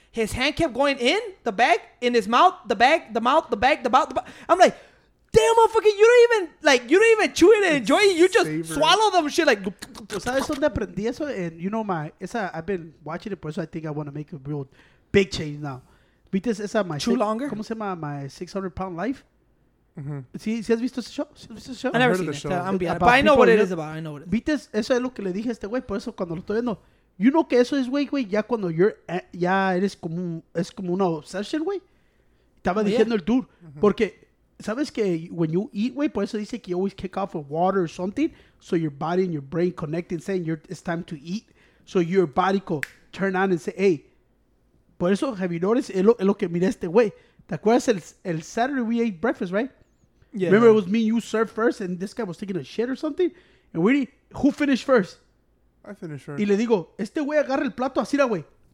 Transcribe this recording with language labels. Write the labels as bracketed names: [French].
[English] His hand kept going in the bag, in his mouth, the bag, the mouth, the bag, the mouth, the bag. I'm like, damn, motherfucker, you don't even chew it and enjoy it. You just swallow them shit like. [Spanish] ¿Sabes dónde aprendí eso? [English] And you know my, esa, I've been watching it, [Spanish] por eso [English] I think I want to make a real big change now. [Spanish] ¿Viste esa? [English] Chew longer? [Spanish] ¿Cómo se llama? [English] My 600-pound life. [Spanish] Mm-hmm. ¿Sí has visto ese show? ¿Sí has visto ese show? [English] I never seen it. I'm being honest. But I know what it is about. I know what it is. [Spanish] ¿Viste? Eso es lo que le dije a este güey. Por eso cuando lo estoy viendo. [English] You know [Spanish] que eso es, güey, ya cuando ya eres como es como una obsession, güey. Estaba diciendo el dude. Uh-huh. Porque, ¿sabes que [English] when you eat, güey, [Spanish] por eso dice que [English] you always kick off with water or something, so your body and your brain connect and saying it's time to eat. So your body could turn on and say, hey, [Spanish] por eso, [English] have you noticed? [Spanish] Es lo que miré este, güey. ¿Te acuerdas el [English] Saturday we ate breakfast, right? Yeah. Remember it was me and you served first and this guy was taking a shit or something? And we who finished first? I finish her. [Spanish] Y le digo, este güey agarra el plato así, güey.